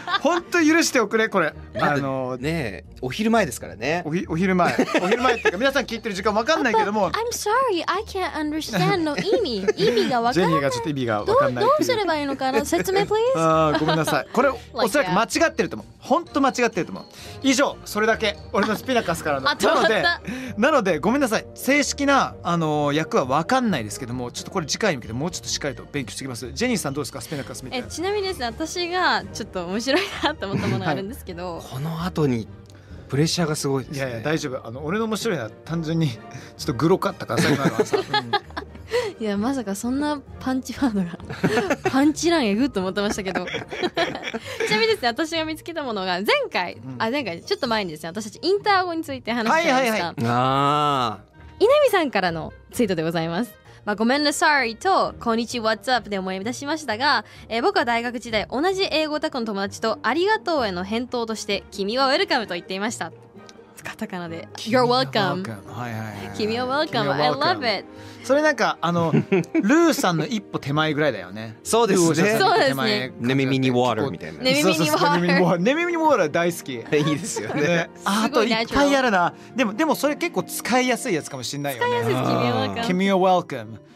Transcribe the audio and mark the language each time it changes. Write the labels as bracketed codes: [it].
[ja] 本当許しておくれこれ。ねえ、お昼前ですからね。お昼前。お昼前っていうか皆さん聞いてる時間わかんないけども。 [en] I'm sorry, I can't understand [ja] の意味。意味がわからない。ジェニーがちょっと意味がわかんない。どうすればいいのかな。説明 please。ごめんなさい。これ、like、おそらく間違ってると思う。本当間違ってると思う。以上、それだけ。俺のスピナカスからの。あ、止まった。なのでごめんなさい。正式な訳はわかんないですけども、ちょっとこれ次回に向けてもうちょっとしっかりと勉強していきます。ジェニーさんどうですか、スペナカスみたいな。ちなみにですね、私がちょっと面白いなと思ったものがあるんですけど、はい、この後にプレッシャーがすごいですね。いや大丈夫、俺の面白いのは単純にちょっとグロかったから、うん、いやまさかそんなパンチワードがパンチランエグッと思ってましたけどちなみにですね、私が見つけたものが前回、うん、あ前回ちょっと前にですね、私たちインター語について話してました、はいはいはい、稲見さんからのツイートでございます。まあ、ごめんね、sorry と、こんにちは、 [en] what's up [ja] で思い出しましたが、僕は大学時代、同じ英語オタクの友達と、ありがとうへの返答として、君は welcome と言っていました。カタカナで、 [en] you're welcome。 [ja] 君は [en] welcome、I love it。 [ja] それなんか、ルーさんの一歩手前ぐらいだよね。そうですね。そうですね。ネミミニウォーターみたいな。ネミミニウォーター。ネミミニウォーター大好き。いいですよね。あといっぱいあるな。でもそれ結構使いやすいやつかもしれないよね。使いやすいです。君は welcome。